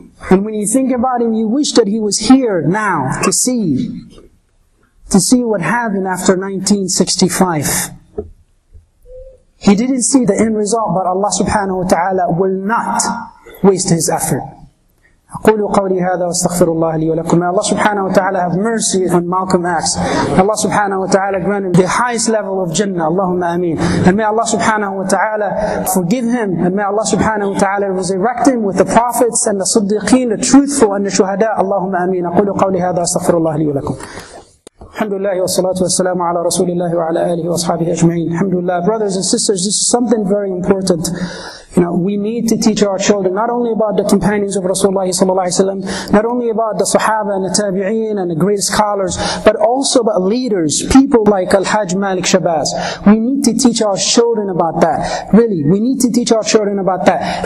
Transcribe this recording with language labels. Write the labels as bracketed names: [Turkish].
[English] And when you think about him, you wish that he was here now to see what happened after 1965. He didn't see the end result, but Allah subhanahu wa ta'ala will not waste his effort. [Arabic] أقول قولي هذا واستغفر الله لي ولكم. [English] May Allah subhanahu wa ta'ala have mercy on Malcolm X. Allah subhanahu wa ta'ala grant him the highest level of Jannah. Allahumma ameen. And may Allah subhanahu wa ta'ala forgive him. And may Allah subhanahu wa ta'ala resurrect him with the prophets and the siddiqeen, the truthful and the shuhada. Allahumma ameen. [Arabic] أقول قولي هذا واستغفر الله لي ولكم. الحمد لله والصلاة والسلام على رسول الله وعلى آله وصحبه أجمعين. الحمد لله. [English] Brothers and sisters, this is something very important. You know, we need to teach our children not only about the companions of Rasulullah sallallahu alaihi wasallam, not only about the Sahaba and the Tabi'een and the great scholars, but also about leaders, people like Al-Hajj Malik Shabazz. We need to teach our children about that. Really, we need to teach our children about that.